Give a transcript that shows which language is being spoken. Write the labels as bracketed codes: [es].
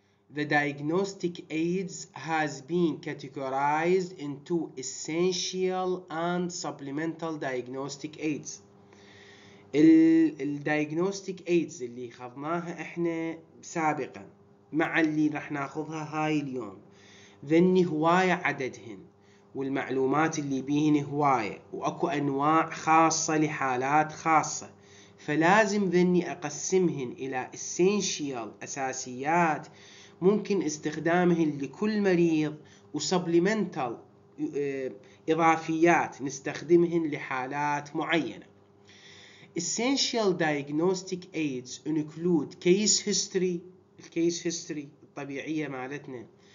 [en] The diagnostic AIDS has been categorized into essential and supplemental diagnostic AIDS. [ar] الدايجنوستيك ايدز اللي خضناها احنا سابقا مع اللي راح ناخذها هاي اليوم ذني هواية عددهن والمعلومات اللي بيهن هواية، واكو انواع خاصة لحالات خاصة، فلازم ذني اقسمهن الى essential اساسيات ممكن استخدامهن لكل مريض، وسبليمنتال اضافيات نستخدمهن لحالات معينة. [en] Essential diagnostic aids include case history، الcase history [ar] الطبيعية مالتنا،